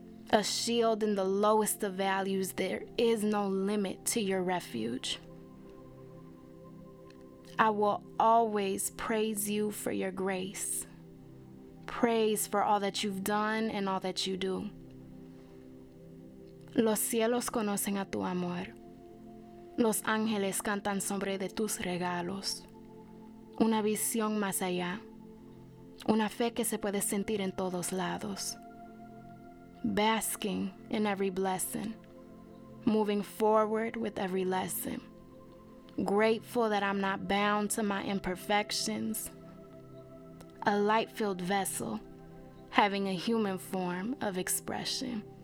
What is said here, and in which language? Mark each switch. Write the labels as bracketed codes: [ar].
[en] A shield in the lowest of values, there is no limit to your refuge. I will always praise you for your grace. Praise for all that you've done and all that you do. [es] Los cielos conocen a tu amor. Los ángeles cantan sobre de tus regalos. Una visión más allá. Una fe que se puede sentir en todos lados. [en] Basking in every blessing. Moving forward with every lesson. Grateful that I'm not bound to my imperfections. A light-filled vessel, having a human form of expression.